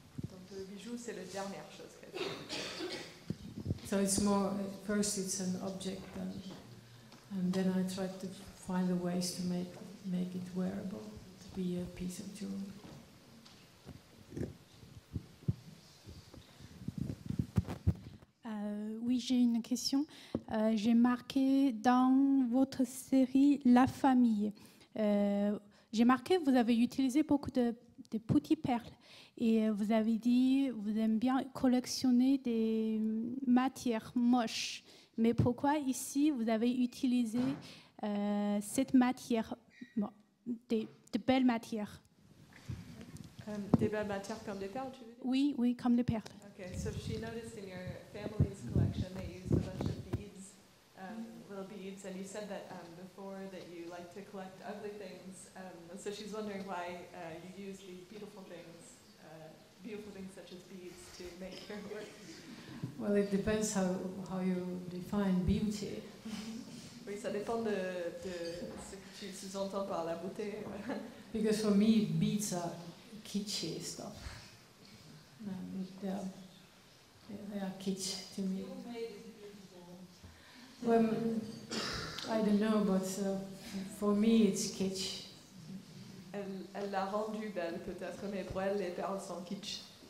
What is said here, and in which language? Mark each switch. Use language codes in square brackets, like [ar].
[fr] Donc le bijou, c'est la dernière chose qu'elle fait. [en] So it's more first it's an object and then I try to find the ways to make it wearable, to be a piece of jewelry. [fr] Oui, j'ai une question. J'ai marqué dans votre série La Famille. J'ai marqué que vous avez utilisé beaucoup de petites perles et vous avez dit que vous aimez bien collectionner des matières moches. Mais pourquoi ici vous avez utilisé cette matière, bon, des belles matières? Des belles matières comme des perles, tu veux dire? Oui, oui, comme des perles. [en] Okay, so she noticed in your family's collection they used a bunch of beads, little beads, and you said that before that you like to collect ugly things. So she's wondering why you use these beautiful things such as beads to make your work. Well, it depends how you define beauty. [fr] Oui, ça dépend de ce que tu sous-entends par la beauté. [en] Because for me, beads are kitschy stuff. They are kitsch to me. Well, I don't know, but for me it's kitsch. [fr] Elle l'a rendue belle, peut-être, mais pour elle, les perles sont kitsch.